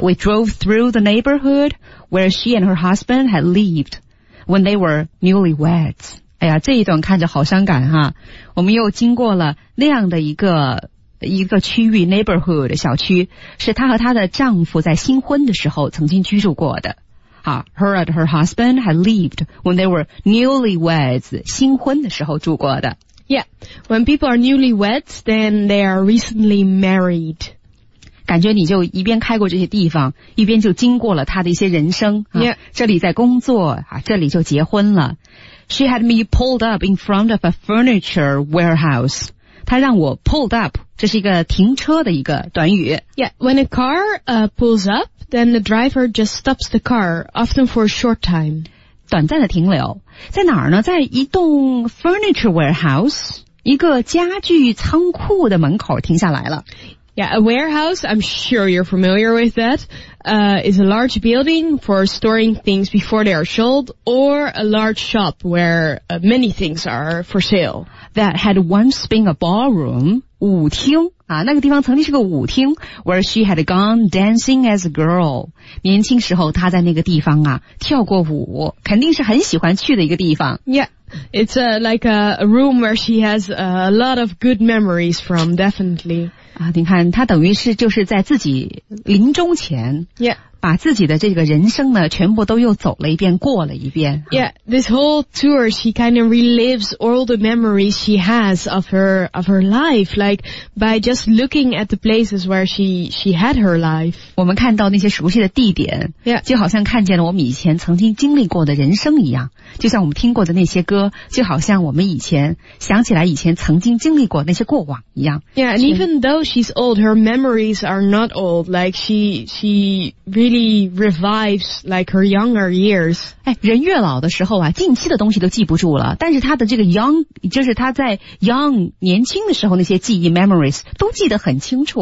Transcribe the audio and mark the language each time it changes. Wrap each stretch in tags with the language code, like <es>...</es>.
<en>We drove through the neighborhood where she and her husband had lived. When they were newlyweds.</en> <zh>哎呀这一段看着好伤感哈。我们又经过了那样的一个区域 neighborhood 小区是她和她的丈夫在新婚的时候曾经居住过的。</zh> <en>Her and her husband had lived when they were newlyweds,</en> <zh>新婚的时候住过的。</zh> <en>Yeah, when people are newlyweds, then they are recently married.</en> <zh>感觉你就一边开过这些地方，一边就经过了他的一些人生、啊</zh> <en>yeah.</en> <zh>这里在工作、啊、这里就结婚了。</zh> <en>She had me pulled up in front of a furniture warehouse.</en> <zh>他让我</zh> <en>pulled up,</en> <zh>这是一个停车的一个短语。</zh> <en>Yeah, when a car pulls up, then the driver just stops the car, often for a short time.</en> <zh>短暂的停留。在哪儿呢？在一栋 furniture warehouse,一个家具仓库的门口停下来了。</zh> <en>Yeah, a warehouse, I'm sure you're familiar with that, is a large building for storing things before they are sold, or a large shop where many things are for sale. That had once been a ballroom,</en> <zh>舞厅啊，那个地方曾经是个舞厅</zh> <en>where she had gone dancing as a girl.</en> <zh>年轻时候她在那个地方啊跳过舞，肯定是很喜欢去的一个地方。</zh> <en>Yeah. It's like a room where she has a lot of good memories from, definitely.</en> <zh>啊，你看，她等于是就是在自己临终前</zh> <en>，Yeah，</en> <zh>把自己的这个人生呢，全部都又走了一遍，过了一遍。</zh> <en>Yeah， this whole tour, she kind of relives all the memories she has of her life, like by just looking at the places where she had her life.</en> <zh>我们看到那些熟悉的地点</zh> <en>，Yeah，</en> <zh>就好像看见了我们以前曾经经历过的人生一样。就像我们听过的那些歌，就好像我们以前想起来以前曾经经历过那些过往一样。</zh> <en>Yeah, and even though she's old, her memories are not old. Like she really revives like her younger years.</en> <zh>哎，人越老的时候啊，近期的东西都记不住了，但是她的这个 young， 就是她在 young 年轻的时候那些记忆 memories 都记得很清楚。</zh>